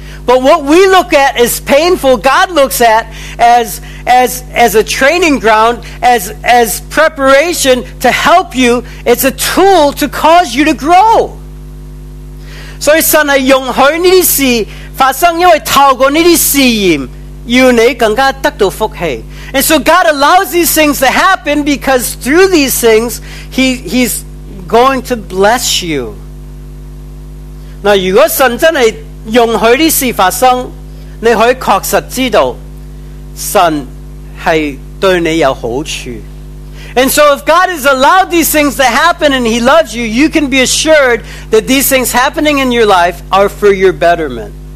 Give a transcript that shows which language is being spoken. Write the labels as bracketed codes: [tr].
[en] But what we look at as painful, God looks at as a training ground, as preparation to help you. It's a tool to cause you to grow. [zh] 所以神是容許這些事發生，因為透過這些試驗，要你更加得到福氣。 [en] And so God allows these things to happen because through these things, He's going to bless you. [zh] 那如果神真的 容許這事發生，你可以確實知道神是對你有好處。 [en] And so if God has allowed these things to happen and He loves you, you can be assured that these things happening in your life are for your betterment.